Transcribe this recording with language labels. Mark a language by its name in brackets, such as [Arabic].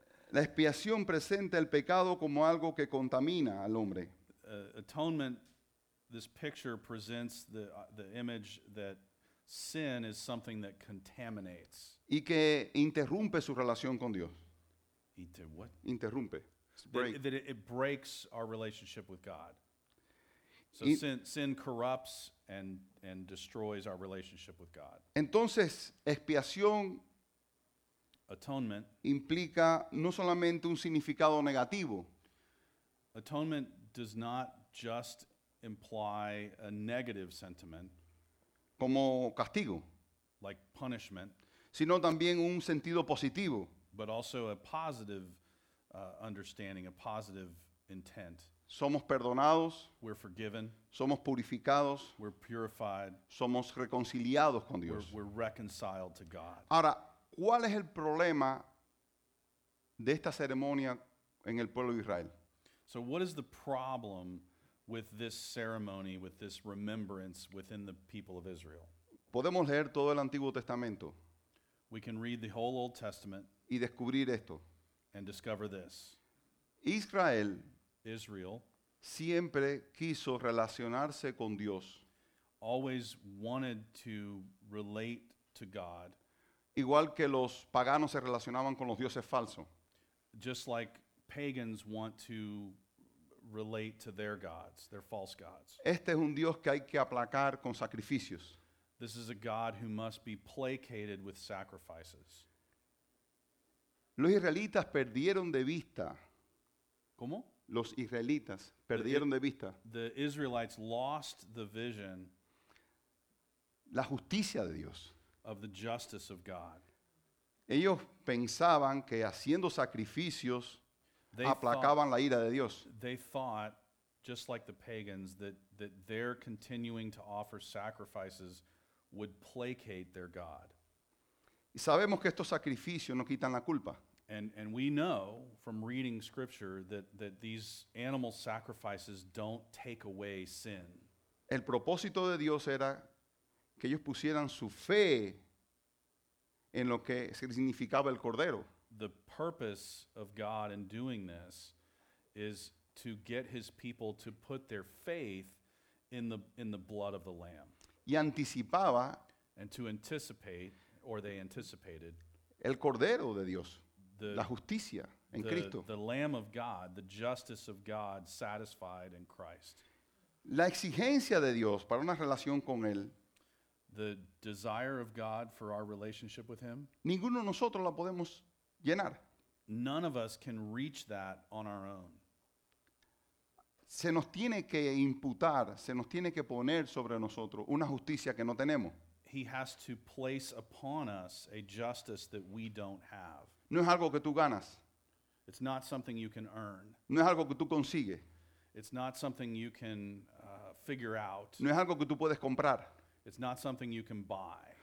[Spanish] La expiación presenta el pecado como algo que contamina al hombre. [English] Atonement, this picture presents the image that sin is something that contaminates. [Spanish] Y que interrumpe su relación con Dios. [English] What? [Spanish] Interrumpe. [English] That it breaks our relationship with God. So sin corrupts and destroys our relationship with God. [Spanish] Entonces, expiación, [English] atonement, [Spanish] implica no solamente un significado negativo. [English] Atonement does not just imply a negative sentiment, [Spanish] como castigo, [English] like punishment, [Spanish] sino también un sentido positivo, [English] but also a positive understanding, a positive intent. [Spanish] Somos perdonados, [English] we're forgiven, [Spanish] somos purificados, [English] we're purified, [Spanish] somos reconciliados con Dios, [English] we're reconciled to God. [Spanish] Ahora, ¿cuál es el problema de esta ceremonia en el pueblo de Israel? [English] So what is the problem with this ceremony, with this remembrance within the people of Israel? [Spanish] Podemos leer todo el Antiguo Testamento. [English] We can read the whole Old Testament. [Spanish] Y descubrir esto. [English] And discover this. [Spanish] Israel. [English] Israel. [Spanish] siempre quiso relacionarse con Dios. [English] Always wanted to relate to God. [Spanish] Igual que los paganos se relacionaban con los dioses falsos. [English] Just like pagans want to relate to their gods, their false gods. [Spanish] Este es un Dios que hay que aplacar con sacrificios. [English] This is a God who must be placated with sacrifices. [Spanish] Los israelitas perdieron de vista. ¿Cómo? Los israelitas perdieron de vista. [English] The Israelites lost the vision. [Spanish] La justicia de Dios. [English] Of the justice of God. [Spanish] Ellos pensaban que haciendo sacrificios aplacaban la ira de Dios. [English] They thought, just like the pagans, that their continuing to offer sacrifices would placate their God. [Spanish] Y sabemos que estos sacrificios no quitan la culpa. [English] And we know from reading scripture that these animal sacrifices don't take away sin. [Spanish] El propósito de Dios era que ellos pusieran su fe en lo que significaba el cordero. [English] The purpose of God in doing this is to get his people to put their faith in the blood of the lamb. [Spanish] Y anticipaba, [English] and to anticipate, or they anticipated, [Spanish] el cordero de Dios, la justicia en Cristo. [English] The lamb of God, the justice of God satisfied in Christ. [Spanish] La exigencia de Dios para una relación con él. [English] The desire of God for our relationship with him. [Spanish] Ninguno de nosotros la podemos llenar. [English] None of us can reach that on our own. [Spanish] Se nos tiene que imputar, se nos tiene que poner sobre nosotros una justicia que no tenemos. [English] He has to place upon us a justice that we don't have. [Spanish] No es algo que tú ganas. [English] It's not something you can earn. [Spanish] No es algo que tú consigues. [English] It's not something you can figure out. [Spanish] No es algo que tú puedes comprar. [English] It's not something you can buy.